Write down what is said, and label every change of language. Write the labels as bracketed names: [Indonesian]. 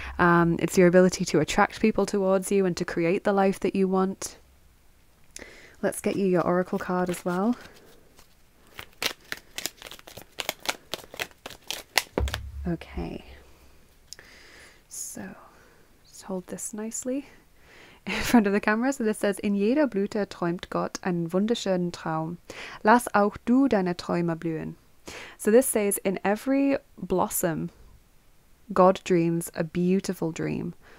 [English] It's your ability to attract people towards you and to create the life that you want. Let's get you your oracle card as well. Okay, so just hold this nicely in front of the camera. So this says, [German] in jeder Blüte träumt Gott einen wunderschönen Traum. Lass auch du deine Träume blühen. [English] So this says, in every blossom, God dreams a beautiful dream.